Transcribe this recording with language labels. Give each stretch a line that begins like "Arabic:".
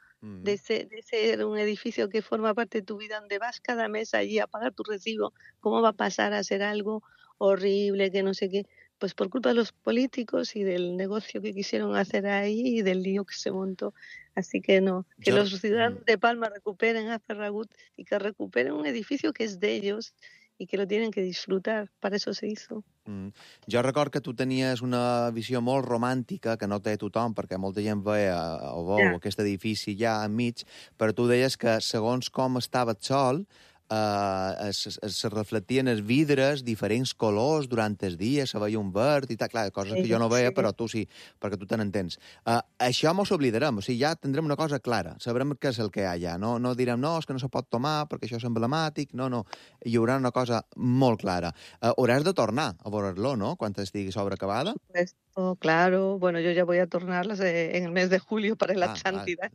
Spanish: de ser un edificio que forma parte de tu vida, donde vas cada mes allí a pagar tu recibo, ¿cómo va a pasar a ser algo horrible, que no sé qué? Pues por culpa de los políticos y del negocio que quisieron hacer ahí y del lío que se montó. Así que no, que los ciudadanos de Palma recuperen a Ferragut y que recuperen un edificio que es de ellos y que lo tienen que disfrutar. Para eso se hizo.
Catalan: Jo record que tu tenies una visió molt romàntica, que no té tothom, perquè molta gent veia o veu aquest edifici ja enmig, però tu deies que segons com estava sol, se reflectien els vidres, diferents colors durant el dia, se veia un verd i tal, clar, coses que jo no veia, però tu sí, perquè tu te n'entens. Això mos oblidarem, o sigui, ja tindrem una cosa clara, sabrem què és el que hi ha allà, no direm no, és que no se pot tomar perquè això és emblemàtic, no, hi haurà una cosa molt clara. Hauràs de tornar a veure-lo, no?, quan estigui sobre acabada.
Spanish: Oh, claro, bueno, yo ya voy a tornarlas en el mes de julio para la Atlántida.